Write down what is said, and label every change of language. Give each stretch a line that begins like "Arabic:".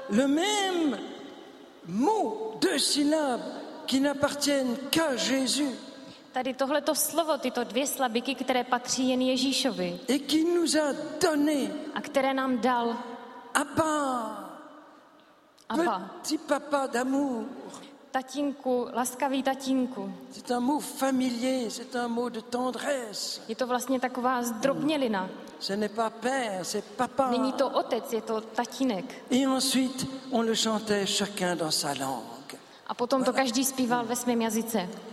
French: Le même mot, deux syllabes qui n'appartiennent qu'à Jésus.
Czech: Tady tohleto slovo, tyto dvě slabiky, které patří jen Ježíšovi.
French: Et qui nous a donné.
Czech: A které nám dal.
French: Abba, petit papa d'amour.
Czech: Tatínku, laskavý tatínku.
French: C'est un mot familier, c'est un mot de tendresse.
Czech: Je to vlastně taková zdrobnělina.
French: Ce n'est pas père, c'est papa.
Czech: Není to otec, je to tatínek.
French: Et ensuite, on le chantait chacun dans sa langue.
Czech: A potom voilà. To každý zpíval ve svém jazyce.